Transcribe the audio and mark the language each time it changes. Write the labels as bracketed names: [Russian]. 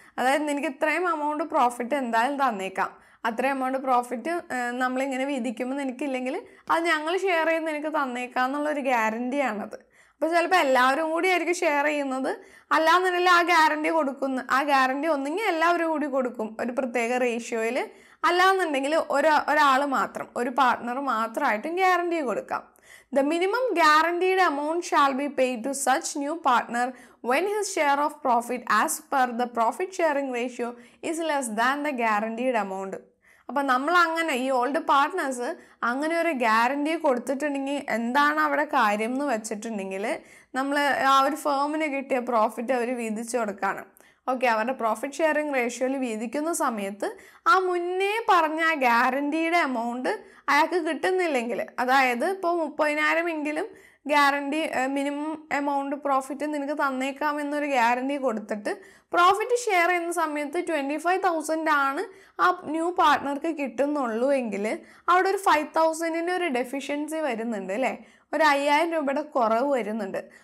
[Malayalam] അതായത്, നിനക്ക് ഇത്രയും എമൗണ്ട് പ്രോഫിറ്റ് എന്തായാലും തന്നേക്കാം. അത്രയും എമൗണ്ട് പ്രോഫിറ്റ് നമ്മളിങ്ങനെ വിധിക്കുമ്പോൾ നിനക്കില്ലെങ്കിൽ അത് ഞങ്ങൾ ഷെയർ ചെയ്യുന്ന നിനക്ക് തന്നേക്കാം എന്നുള്ളൊരു ഗ്യാരണ്ടിയാണത്. അപ്പോൾ ചിലപ്പോൾ എല്ലാവരും കൂടി ആയിരിക്കും ഷെയർ ചെയ്യുന്നത്, അല്ലാന്നുണ്ടെങ്കിൽ ആ ഗ്യാരണ്ടി കൊടുക്കുന്നു. ആ ഗ്യാരണ്ടി ഒന്നെങ്കിൽ എല്ലാവരും കൂടി കൊടുക്കും ഒരു പ്രത്യേക റേഷ്യോയിൽ, അല്ലാന്നുണ്ടെങ്കിൽ ഒരാൾ മാത്രം, ഒരു പാർട്ണർ മാത്രമായിട്ടും ഗ്യാരണ്ടി കൊടുക്കാം. [English] The minimum guaranteed amount shall be paid to such new partner when his share of profit as per the profit sharing ratio is less than the guaranteed amount. [Malayalam] അപ്പോൾ നമ്മൾ അങ്ങനെ ഈ ഓൾഡ് പാർട്ട്നേഴ്സ് അങ്ങനെ ഒരു guarantee കൊടുത്തിട്ടുണ്ടെങ്കിൽ എന്താണ് അവിടെ കാര്യം എന്ന് വെച്ചിട്ടുണ്ടെങ്കിൽ, നമ്മൾ ആ ഒരു ഫേമിന് കിട്ടിയ പ്രോഫിറ്റ് അവർ വീതിച്ചു കൊടുക്കുകയാണ്. ഓക്കെ, അവരുടെ പ്രോഫിറ്റ് ഷെയറിംഗ് റേഷ്യോയിൽ വീതിക്കുന്ന സമയത്ത് ആ മുന്നേ പറഞ്ഞ ആ ഗ്യാരണ്ടിയുടെ എമൗണ്ട് അയാൾക്ക് കിട്ടുന്നില്ലെങ്കിൽ, അതായത് ഇപ്പോൾ 30,000 എങ്കിലും ഗ്യാരണ്ടി മിനിമം എമൗണ്ട് പ്രോഫിറ്റ് നിനക്ക് തന്നേക്കാം എന്നൊരു ഗ്യാരണ്ടി കൊടുത്തിട്ട് പ്രോഫിറ്റ് ഷെയർ ചെയ്യുന്ന സമയത്ത് 25,000 ആണ് ആ ന്യൂ പാർട്ട്ണർക്ക് കിട്ടുന്നുള്ളൂ എങ്കിൽ, അവിടെ ഒരു 5,000 ഒരു ഡെഫിഷ്യൻസി വരുന്നുണ്ട് അല്ലേ, ഒരു 5,000 രൂപയുടെ കുറവ് വരുന്നുണ്ട്.